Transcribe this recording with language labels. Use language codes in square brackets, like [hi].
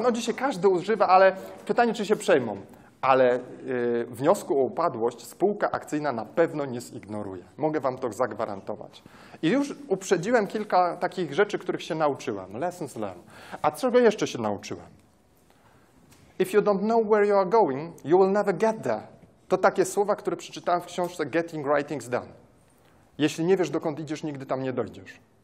[pl] No dzisiaj każdy używa, ale pytanie, czy się przejmą. Ale wniosku o upadłość spółka akcyjna na pewno nie zignoruje. Mogę wam to zagwarantować. I już uprzedziłem kilka takich rzeczy, których się nauczyłem. [en] Lessons learned. [pl] A czego jeszcze się nauczyłem? [en] If you don't know where you are going, you will never get there. [pl] To takie słowa, które przeczytałem w książce Getting Right Things Done. Jeśli nie wiesz, dokąd idziesz, nigdy tam nie dojdziesz.